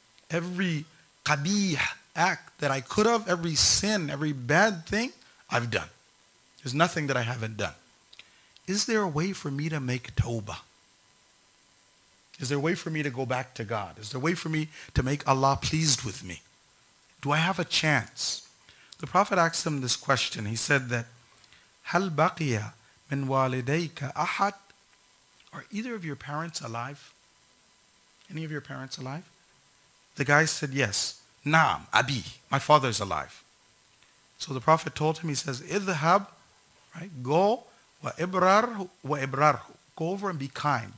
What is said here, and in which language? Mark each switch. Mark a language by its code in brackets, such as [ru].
[en] Every qabih act that I could have, every sin, every bad thing, I've done. There's nothing that I haven't done. Is there a way for me to make tawbah? Is there a way for me to go back to God? Is there a way for me to make Allah pleased with me? Do I have a chance? The Prophet asked him this question. He said that, [ar] هَلْ بَقِيَ مِنْ وَالِدَيْكَ أَحَدْ? [en] Are either of your parents alive? Any of your parents alive? The guy said, yes. [ar] نَعْمْ أَبِي. [en] My father's alive. So the Prophet told him, he says, [ar] اِذْهَبْ. [en] Right? Go. [ar] وَإِبْرَرْهُ. [en] Go over and be kind.